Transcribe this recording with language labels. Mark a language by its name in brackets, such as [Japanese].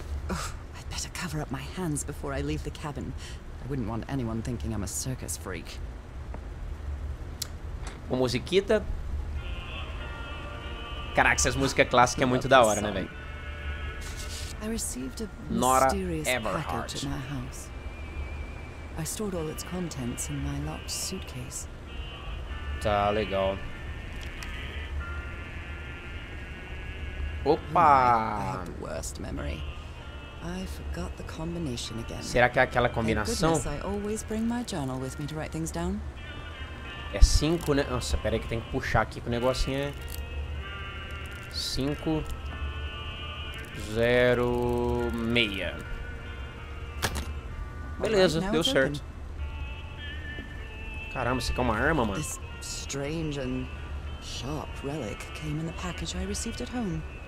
[English] I better cover up my hands before I leave the cabin. I wouldn't want anyone thinking I'm a circus freak. [Portuguese] Uma musiquita. Caraca, essa música clássica é muito da hora, né, velho? [English] I received a Nora mysterious package at my house. I stored all its contents in my locked suitcase. [Portuguese] Tá legal. Opa! [English] I have the worst memory. I forgot the combination again. [Portuguese] Será que é aquela combinação? [English] Thank goodness I always bring my journal with me to write things down. [Portuguese] É 5, né? Nossa, pera aí que tem que puxar aqui que o negocinho é 5. 06. Beleza, deu certo. Caramba, isso aqui é uma arma, mano. [English] This strange and sharp relic came in the package I received at home.